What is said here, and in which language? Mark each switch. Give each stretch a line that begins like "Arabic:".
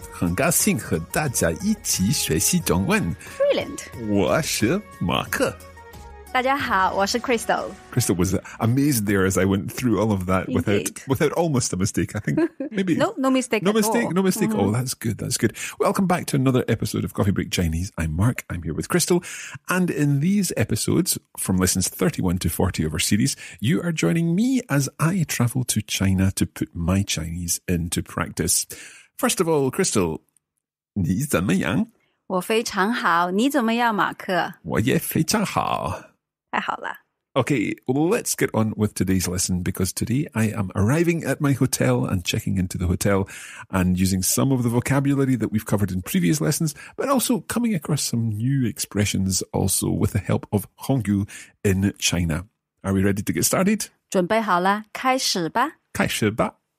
Chinese: 很高兴和大家一起学习中文.
English: Brilliant.
Chinese: 我是马克. 大家好,我是Crystal.
English: Crystal was amazed there as I went through all of that without almost a mistake, I think. Maybe. No mistake. Mm-hmm. Oh, that's good. Welcome back to another episode of Coffee Break Chinese. I'm Mark. I'm here with Crystal. And in these episodes from lessons 31 to 40 of our series, you are joining me as I travel to China to put my Chinese into practice. First of all, Crystal,
Chinese: 你怎么样? 我非常好,你怎么样,马克? 我也非常好。太好了。Okay,
English: well, let's get on with today's lesson because today I am arriving at my hotel and checking into the hotel and using some of the vocabulary that we've covered in previous lessons, but also coming across some new expressions also with the help of Hongyu in China. Are we ready to get started?
Chinese: 准备好了,开始吧。开始吧。